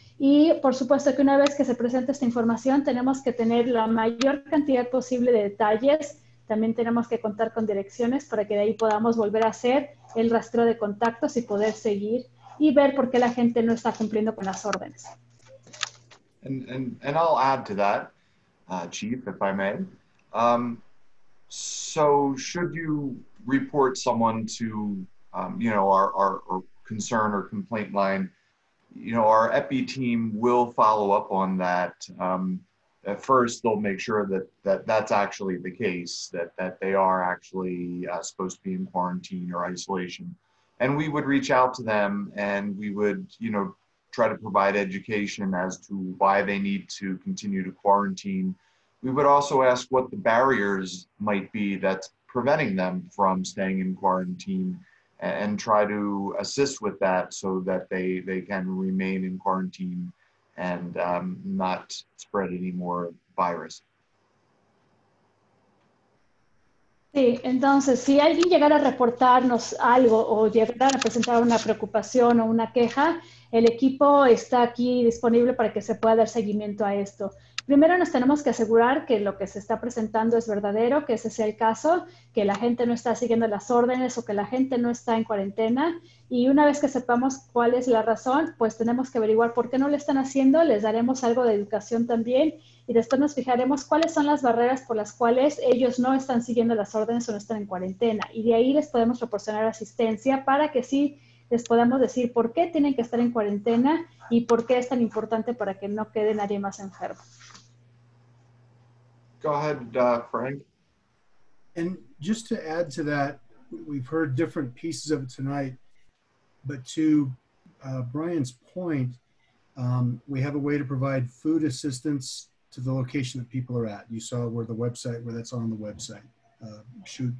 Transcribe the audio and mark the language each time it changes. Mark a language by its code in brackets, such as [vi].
[es] Y, por supuesto, que una vez que se presente esta información, tenemos que tener la mayor cantidad posible de detalles. También tenemos que contar con direcciones para que de ahí podamos volver a hacer el rastreo de contactos y poder seguir y ver por qué la gente no está cumpliendo con las órdenes. [en] And I'll add to that, Chief, if I may. So should you report someone to, you know, our concern or complaint line, you know, our EPI team will follow up on that. At first, they'll make sure that's actually the case, that they are actually supposed to be in quarantine or isolation. And we would reach out to them and we would, you know, try to provide education as to why they need to continue to quarantine. We would also ask what the barriers might be that's preventing them from staying in quarantine and try to assist with that so that they can remain in quarantine and not spread any more virus. [es] Sí, entonces, si alguien llegara a reportarnos algo o llegara a presentar una preocupación o una queja, el equipo está aquí disponible para que se pueda dar seguimiento a esto. Primero nos tenemos que asegurar que lo que se está presentando es verdadero, que ese sea el caso, que la gente no está siguiendo las órdenes o que la gente no está en cuarentena. Y una vez que sepamos cuál es la razón, pues tenemos que averiguar por qué no lo están haciendo. Les daremos algo de educación también y después nos fijaremos cuáles son las barreras por las cuales ellos no están siguiendo las órdenes o no están en cuarentena. Y de ahí les podemos proporcionar asistencia para que sí les podamos decir por qué tienen que estar en cuarentena y por qué es tan importante para que no quede nadie más enfermo. [en] Go ahead, Frank. And just to add to that, we've heard different pieces of it tonight, but to Brian's point, we have a way to provide food assistance to the location that people are at. You saw where the website, where that's on the website.